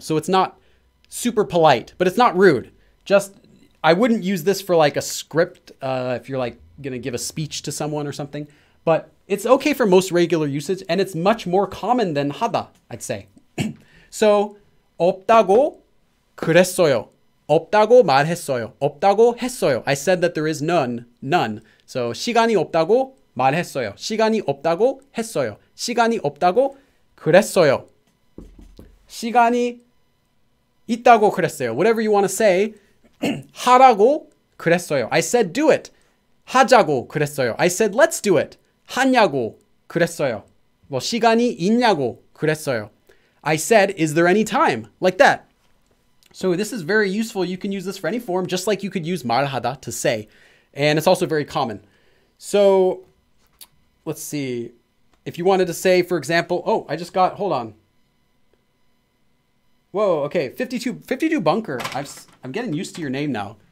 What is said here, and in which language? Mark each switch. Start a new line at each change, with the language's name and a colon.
English: So it's not super polite, but it's not rude. Just, I wouldn't use this for like a script if you're like gonna give a speech to someone or something, but it's okay for most regular usage and it's much more common than 하다, I'd say. So,
Korean: 없다고 그랬어요. 없다고 말했어요. 없다고 했어요.
English: I said that there is none. None.
Korean: So 시간이 없다고 말했어요. 시간이 없다고 했어요. 시간이 없다고 그랬어요. 시간이 있다고 그랬어요.
English: Whatever you want to say,
Korean: 하라고 그랬어요.
English: I said do it.
Korean: 하자고 그랬어요.
English: I said let's do it.
Korean: 하냐고 그랬어요. 뭐 시간이 있냐고 그랬어요.
English: I said is there any time? Like that. So this is very useful. You can use this for any form, just like you could use 말하다 to say. And it's also very common. So let's see. If you wanted to say, for example, oh, I just got, hold on. Whoa, okay, 52 Bunker. I'm getting used to your name now.